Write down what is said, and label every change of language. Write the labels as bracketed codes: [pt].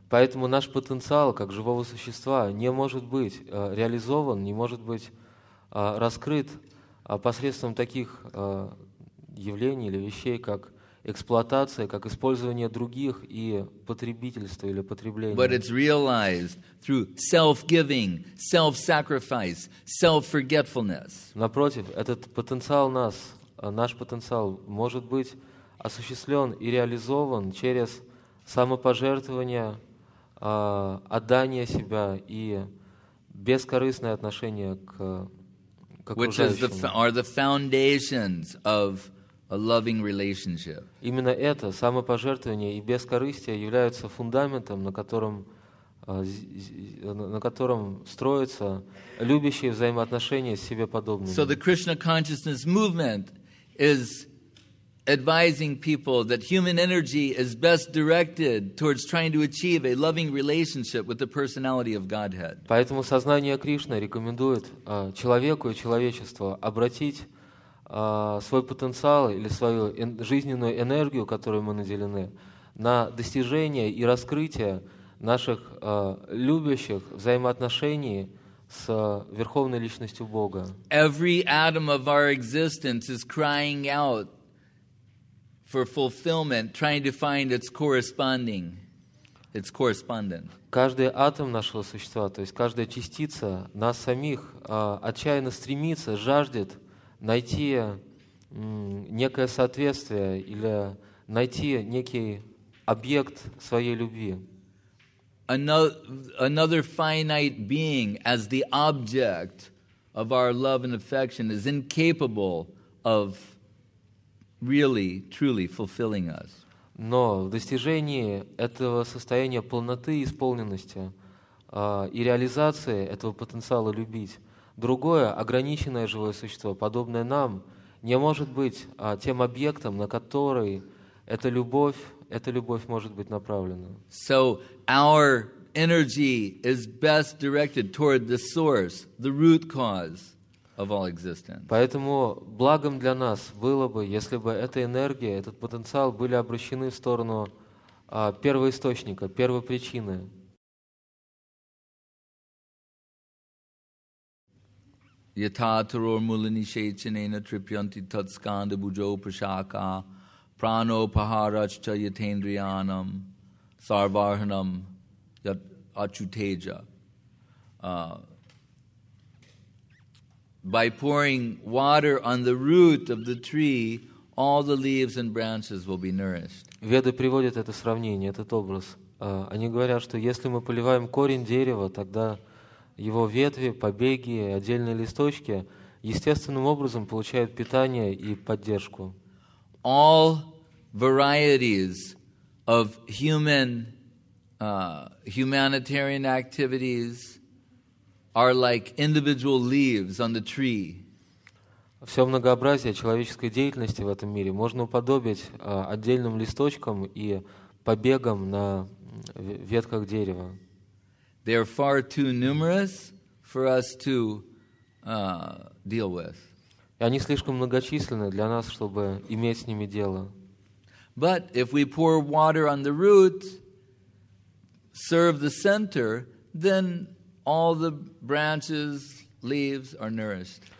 [ru] Поэтому наш потенциал как живого существа не может быть реализован, не может быть раскрыт посредством таких явлений или вещей, как эксплуатация, как использование других и потребительство или потребление. [en] But it's realized through self-giving, self-sacrifice, self-forgetfulness. [ru] Напротив, этот потенциал наш потенциал может быть осуществлен и реализован через самопожертвование, отдание себя и бескорыстное отношение к окружающим. [en] Which are the foundations of a loving relationship. [ru] Именно это самопожертвование и бескорыстие являются фундаментом, на котором строятся любящие взаимоотношения с себе подобными. [en] So the Krishna consciousness movement is advising people that human energy is best directed towards trying to achieve a loving relationship with the personality of Godhead. [ru] Поэтому сознание Кришны рекомендует человеку и человечеству обратить свой потенциал или свою жизненную энергию, которой мы наделены, на достижение и раскрытие наших любящих взаимоотношений с Верховной Личностью Бога. [en] Every atom of our existence is crying out for fulfillment, trying to find its corresponding, its correspondent. [ru] Каждый атом нашего существа, то есть каждая частица нас самих, отчаянно стремится, жаждет найти некое соответствие или найти некий объект своей любви. [en] Another finite being, as the object of our love and affection, is incapable of really, truly fulfilling us. [ru] Но в достижении этого состояния полноты, исполненности и реализации этого потенциала любить, другое ограниченное живое существо, подобное нам, не может быть тем объектом, на который эта любовь может быть направлена. [en] So our energy is best directed toward the source, the root cause of all existence. [ru] Поэтому благом для нас было бы, если бы эта энергия, этот потенциал были обращены в сторону первоисточника, первопричины. [sa] Yatataro mulanishechinena tripyanti tatskanda bujo prashaka prano paharachcha yatendriyanam sarvarhanam yat achuteja. [en] By pouring water on the root of the tree, all the leaves and branches will be nourished. [ru] Веды приводят это сравнение, этот образ. Они говорят, что если мы поливаем корень дерева, тогда его ветви, побеги, отдельные листочки естественным образом получают питание и поддержку. [en] All varieties of human humanitarian activities are like individual leaves on the tree. [ru] Все многообразие человеческой деятельности в этом мире можно уподобить отдельным листочкам и побегам на ветках дерева. [en] They are far too numerous for us to deal with. [ru] Они слишком многочисленны для нас, чтобы иметь с ними дело. [en] But if we pour water on the root, serve the center, then all the branches, leaves are nourished.